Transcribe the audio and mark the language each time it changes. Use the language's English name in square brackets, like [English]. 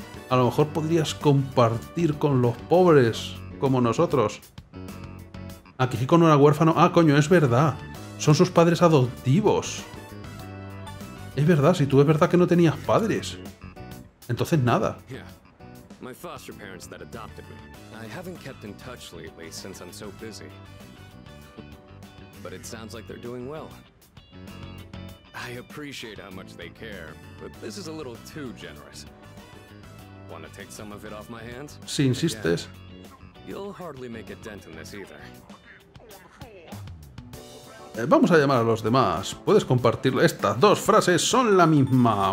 [Spanish] A lo mejor podrías compartir con los pobres, como nosotros. Ah, Kihiko no era huérfano. Ah, coño, es verdad. Son sus padres adoptivos. Es verdad, si tú es verdad que no tenías padres. Entonces nada. [English] My foster parents that adopted me. I haven't kept in touch lately since I'm so busy. But it sounds like they're doing well. I appreciate how much they care, but this is a little too generous. Want to take some of it off my hands? [Spanish] Si insistes. [English] You'll hardly make a dent in this either. [Spanish] Vamos a llamar a los demás. Puedes compartir estas dos frases, son la misma.